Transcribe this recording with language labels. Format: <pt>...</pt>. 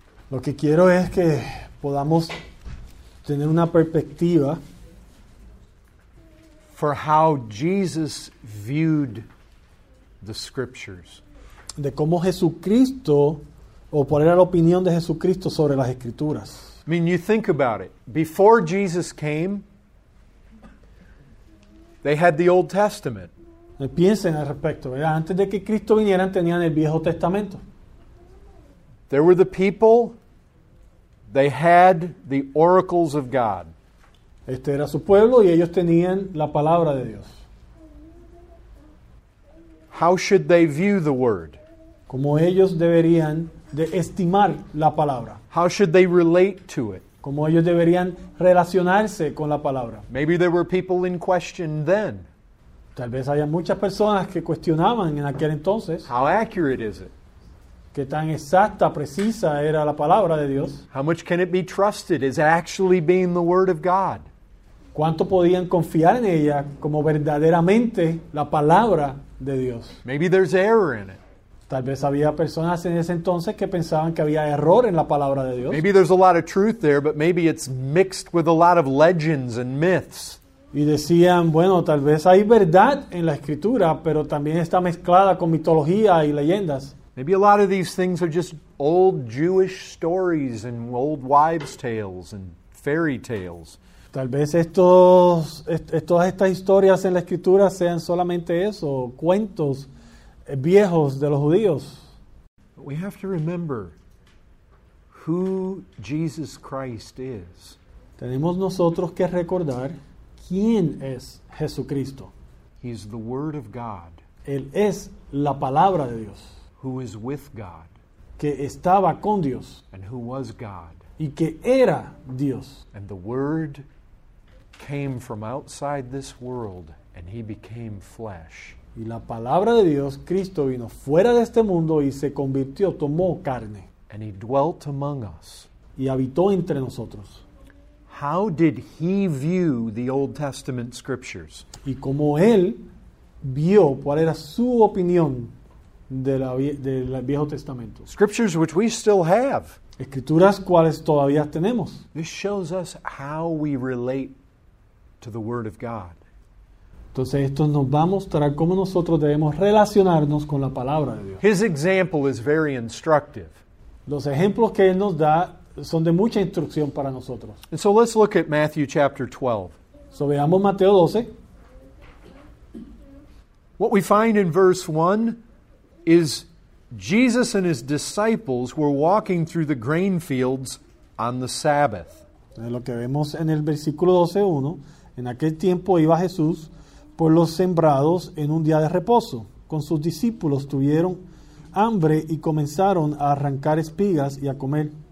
<es>Lo que quiero es que podamos tener una perspectiva</es> <en>for how Jesus viewed the scriptures.</en> <es>De cómo Jesucristo, o cuál era la opinión de Jesucristo sobre las escrituras.</es> <en>I mean, you think about it. Before Jesus came, they had the Old Testament.</en> <es>Piensen al respecto, ¿verdad? Antes de que Cristo viniera, tenían el Viejo Testamento.</es> <en>There were the people, they had the oracles of God.</en> <es>Este era su pueblo y ellos tenían la palabra de Dios.</es> <en>How should they view the word?</en> <es>¿Cómo ellos deberían de estimar la palabra?</es> <en>How should they relate to it?</en> <es>¿Cómo ellos deberían relacionarse con la palabra?</es> <en>Maybe there were people in question then.</en> <es>Tal vez haya muchas personas que cuestionaban en aquel entonces.</es> <en>How accurate is it?</en> <es>¿Qué tan exacta, precisa era la palabra de Dios?</es> <en>How much can it be trusted as actually being the word of God?</en> <es>¿Cuánto podían confiar en ella como verdaderamente la palabra de Dios?</es> <en>Maybe there's error in it.</en> <es>Tal vez había personas en ese entonces que pensaban que había error en la palabra de Dios.</es> <en>Maybe there's a lot of truth there, but maybe it's mixed with a lot of legends and myths.</en> <es>Y decían, bueno, tal vez hay verdad en la escritura, pero también está mezclada con mitología y leyendas.</es> <en>Maybe a lot of these things are just old Jewish stories and old wives' tales and fairy tales.</en> <es>Tal vez todas estas historias en la escritura sean solamente eso, cuentos viejos de los judíos.</es> <en>But we have to remember who Jesus Christ is.</en> <es>Tenemos nosotros que recordar quién es Jesucristo.</es> <en>He's the Word of God.</en> <es>Él es la palabra de Dios.</es> <en>Who is with God.</en> <es>Que estaba con Dios.</es> <en>And who was God.</en> <es>Y que era Dios.</es> <en>And the Word came from outside this world and he became flesh.</en> <es>Y la palabra de Dios, Cristo, vino fuera de este mundo y se convirtió, tomó carne.</es> <en>And he dwelt among us.</en> <es>Y habitó entre nosotros.</es> <en>How did he view the Old Testament scriptures?</en> <es>Y cómo él vio, cuál era su opinión del Viejo Testamento.</es> <en>Scriptures which we still have.</en> <es>Escrituras cuales todavía tenemos.</es> <en>This shows us how we relate to the Word of God.</en> <es>Entonces esto nos va a mostrar cómo nosotros debemos relacionarnos con la Palabra de Dios.</es> <en>His example is very instructive.</en> <es>Los ejemplos que él nos da son de mucha instrucción para nosotros.</es> <en>And so let's look at Matthew chapter 12.</en> <es>So veamos Mateo 12.</es> <en>What we find in verse 1 is Jesus and his disciples were walking through the grain fields on the Sabbath.</en> <es>Lo que vemos en el versículo 12:1, en aquel tiempo iba Jesús por los sembrados en un día de reposo. Con sus discípulos tuvieron hambre y comenzaron a arrancar espigas y a comer.</es>